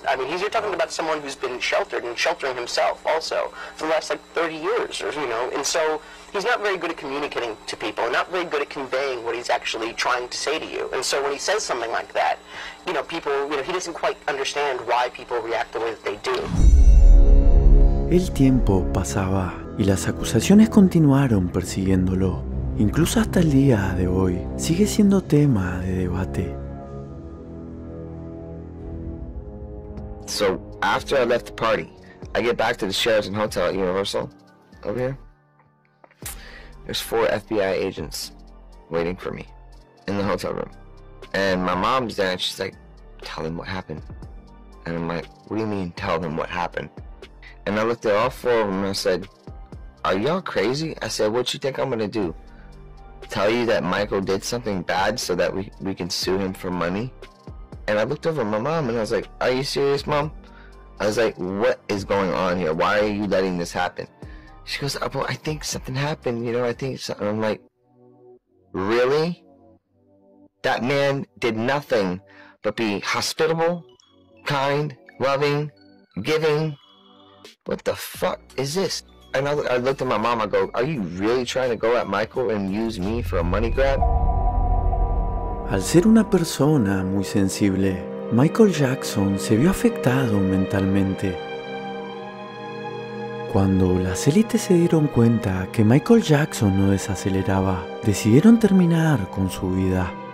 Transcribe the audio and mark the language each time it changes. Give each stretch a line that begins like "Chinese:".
English: I mean, you're talking about someone who's been sheltered and sheltering himself also for the last like 30 years, or, you know, and so he's not very good at communicating to people, not very good at conveying what he's actually trying to say to you. And so when he says something like that, you know, people, you know, he doesn't quite understand why people react the way that they do.
Spanish: El tiempo pasaba y las acusaciones continuaron persiguiéndolo. Incluso hasta el día de hoy sigue siendo tema de debate.
English: So after I left the party, I get back to the Sheraton Hotel at Universal over here. There's 4 FBI agents waiting for me in the hotel room. And my mom's there and she's like, tell them what happened. And I'm like, what do you mean tell them what happened? And I looked at all 4 of them and I said, are y'all crazy? I said, what you think I'm gonna do? Tell you that Michael did something bad so that we can sue him for money? And I looked over at my mom and I was like, are you serious, mom? I was like, what is going on here? Why are you letting this happen? She goes, oh, well, I think something happened. You know, I think something. I'm like, really? That man did nothing but be hospitable, kind, loving, giving. What the fuck is this? And I looked at my mom, I go, are you really trying to go at Michael and use me for a money grab?
Spanish: Al ser una persona muy sensible, Michael Jackson se vio afectado mentalmente, Cuando las élites se dieron cuenta que Michael Jackson no desaceleraba, decidieron terminar con su vida.